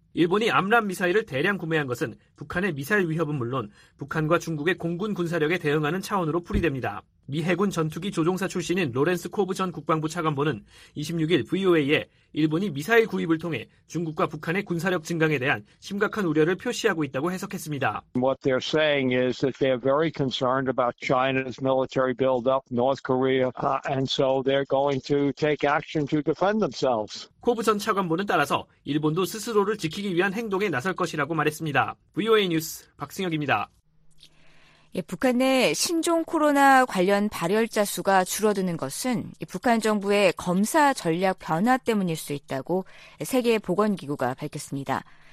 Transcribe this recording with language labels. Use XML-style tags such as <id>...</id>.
<ko>일본이 암람 미사일을 대량 구매한 것은 북한의 미사일 위협은 물론 북한과 중국의 공군 군사력에 대응하는 차원으로 풀이됩니다. 미 해군 전투기 조종사 출신인 로렌스 코브 전 국방부 차관보는 26일 VOA에 일본이 미사일 구입을 통해 중국과 북한의 군사력 증강에 대한 심각한 우려를 표시하고 있다고 해석했습니다.</ko> <en>What they're saying is that they're very concerned about China's military buildup, North Korea, and so they're going to take action to defend themselves.</en> <ko>코브 전 차관보는 따라서 일본도 스스로를 지키기 위한 행동에 나설 것이라고 말했습니다. VOA 뉴스 박승혁입니다. 예, 북한 내 신종 코로나 관련 발열자 수가 줄어드는 것은 북한 정부의 검사 전략 변화 때문일 수 있다고 세계보건기구가 밝혔습니다.</ko>